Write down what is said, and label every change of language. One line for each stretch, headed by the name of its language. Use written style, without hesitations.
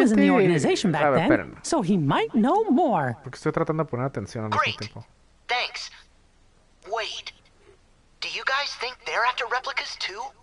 English: He was in the organization back then, so he might know more.
Spanish: Porque estoy tratando de poner atención al mismo tiempo.
English: Thanks. Wait. Do you guys think they're after replicas too?